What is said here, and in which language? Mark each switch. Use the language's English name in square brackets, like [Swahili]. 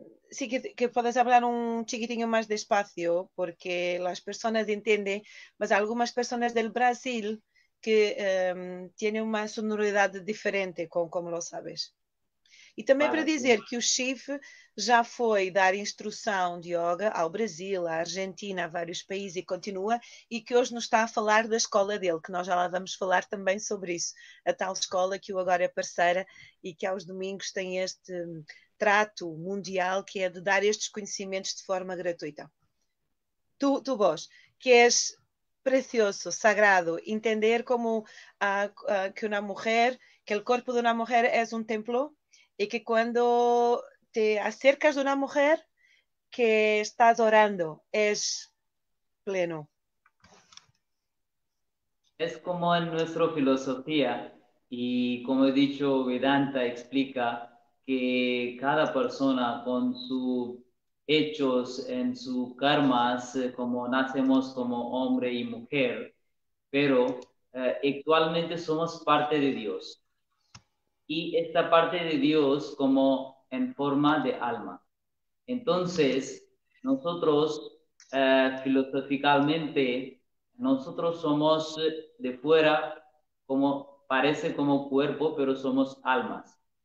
[Spanish] Sí, que podes hablar un chiquitinho más despacio, porque las personas entienden, mas algunas personas del Brasil que tienen una sonoridad diferente, como lo sabes. [Portuguese] E também para dizer que o Chief já foi dar instrução de yoga ao Brasil, à Argentina, a vários países e continua, e que hoje nos está a falar da escola dele, que nós já lá vamos falar também sobre isso, a tal escola que o agora é parceira e que aos domingos tem este trato mundial, que é de dar estes conhecimentos de forma gratuita. Tu vos, que és precioso, sagrado, entender como que uma mulher, que o corpo de uma mulher é um templo, e que quando [Spanish] te acercas [Portuguese] de uma mulher que estás orando, és pleno. É como a nossa filosofia, e como eu disse, Vedanta explica que cada pessoa com seus hechos, em seus karmas, como nascemos como homem e mulher, mas atualmente somos parte de Deus. [Spanish] Y esta parte de Dios como en forma de alma. Entonces, nosotros filosóficamente, nosotros somos de fuera, como parece como cuerpo, pero somos almas.